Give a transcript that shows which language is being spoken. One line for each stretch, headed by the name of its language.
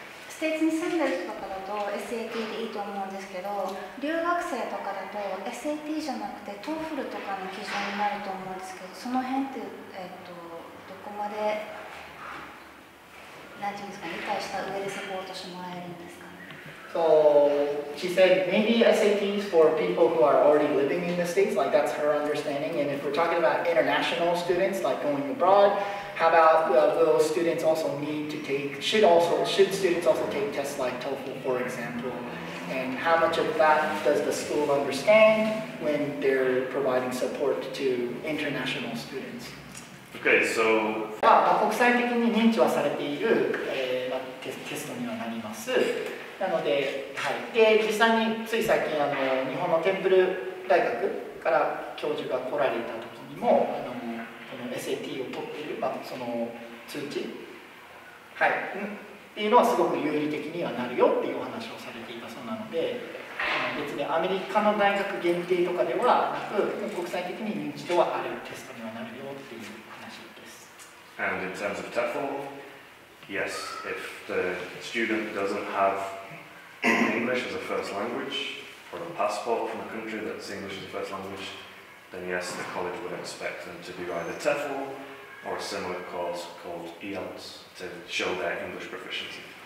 Japanese: ステーツに住んでる人とかだと SAT でいいと思うんですけど、留学生とかだと SAT じゃなくて TOEFL とかの基準になると思うんですけど、その辺って、どこまで何て言うんですか、理解した上でサポートしてもらえるんですかね。
English: So she said maybe SAT is for people who are already living in the States, like that's her understanding. And if we're talking about international students, like going abroadHow about those students also need to take, should students also take tests like TOEFL, for example? And how much of that does the school understand when they're providing support to international students? Okay, so...
Japanese: 国際的に認知はされている、テストにはなります。なので、はい。で、実際につい最近あの、日本のテンプル大学から教授が来られた時にも、あのSAT を取っている、まあ、その通知、はい、っていうのはすごく有利的にはなるよっていうお話をされていたそうなので、別にアメリカの大学限定とかではなく、国際的に認知度はあるテストにはなるよっていう話です。
English: And in terms of TOEFL, yes, if the student doesn't have English as a first language or a passport from a country that's English as a first language,then yes, the college would expect them to do either TEFL or a similar course called IELTS to show their English proficiency.